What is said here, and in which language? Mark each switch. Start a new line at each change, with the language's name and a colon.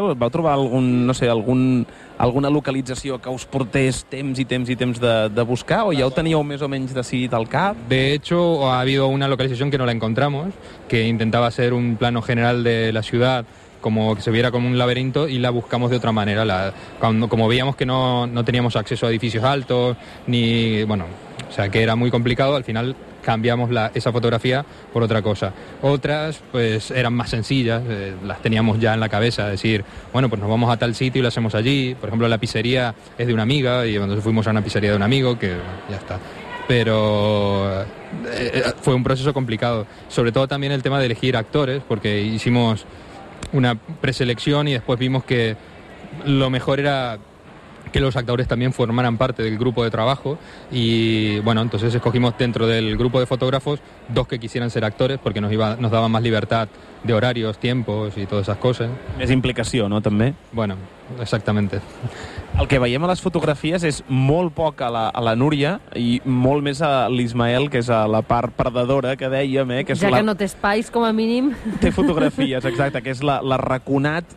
Catalan: Vau trobar alguna localització que us portés temps i temps i temps de buscar? O ja ho teníeu més o menys decidit al cap?
Spanish: De hecho, ha habido una localización que no la encontramos, que intentaba ser un plano general de la ciudad, como que se viera como un laberinto, y la buscamos de otra manera. Como veíamos que no teníamos acceso a edificios altos, ni, bueno, o sea, que era muy complicado, al final cambiamos esa fotografía por otra cosa. Otras, pues, eran más sencillas, las teníamos ya en la cabeza, decir, bueno, pues nos vamos a tal sitio y lo hacemos allí. Por ejemplo, la pizzería es de una amiga, y cuando fuimos a una pizzería de un amigo, que ya está. Pero fue un proceso complicado. Sobre todo también el tema de elegir actores, porque hicimos una preselección y después vimos que lo mejor era que los actores también formaran parte del grupo de trabajo, y bueno, entonces escogimos dentro del grupo de fotógrafos dos que quisieran ser actores porque nos daba más libertad de horarios, tiempos y todas esas cosas.
Catalan: Més implicació, no, també?
Spanish: Bueno, exactamente.
Catalan: El que veiem a les fotografies és molt poc a la Núria i molt més a l'Ismael, que és a la part perdedora, que dèiem, que és ja la... que no té espais, com a mínim. Té fotografies, exacte, que és la raconat.